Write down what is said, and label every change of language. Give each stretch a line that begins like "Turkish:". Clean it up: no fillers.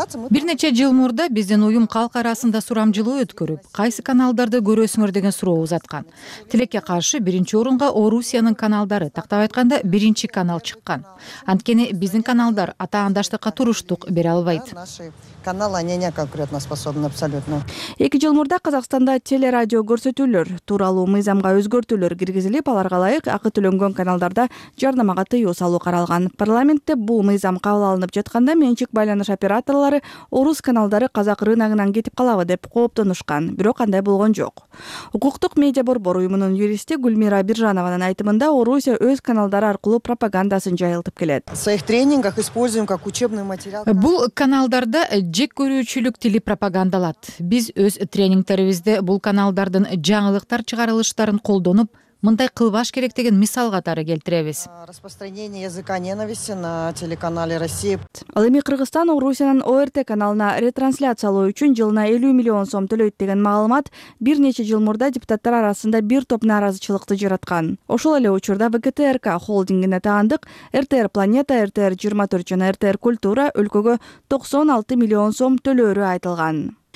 Kyrgyz: Бир нече жыл мурда биздин уюм калк арасында сурамжылоо өткөрүп, кайсы каналдарды көрөсүңөр деген суроо узаткан. Тилекке каршы биринчи орунга Орусиянын каналдары, тактап айтканда биринчи канал чыккан. Анткени биздин каналдар атаандаштыкка туруштук бере албайт.
Russian: Канал они не конкурентоспособны абсолютно.
Kyrgyz: 2 жыл мурда Казакстанда телерадио көрсөтүүлөр тууралуу мыйзамга өзгөртүүлөр киргизилип, аларга ылайык акы төлөнгөн каналдарда жарнамага тыюу салуу каралган. Парламентте бул мыйзам кабыл алынып жатканда менчик байланыш операторлары орус каналдары казак рыногунан кетип калабы деп кооптонушкан, бирок андай болгон жок. Укуктук медиа борбор уюмунун юристи Гүлмира Биржанованын айтымында Орусия өз каналдары аркылуу пропагандасын жайылтып келет.
Russian: В своих тренингах используем как учебный материал.
Kyrgyz: Бул каналдарда жек көрүүчүлүк тили пропагандалат. Биз өз тренингтерибизде бул каналдардын жаңылыктар чыгарылыштарын колдонуп, мындай кылбаш керек деген мисал катары келтиребиз.
Russian: Распространение языка ненависти на телеканале Россия.
Kyrgyz: Ал эми Кыргызстан Орусиянын ОРТ каналына ретрансляциялоо үчүн жылына 50 миллион сом төлөйт деген маалымат бир нече жыл мурда депутаттар арасында бир топ нааразычылыкты жараткан. Ошол эле учурда ВКТРК холдингине таандык, РТР Планета, РТР 24 жана РТР Культура өлкөгө 96 миллион сом төлөөрү айтылган.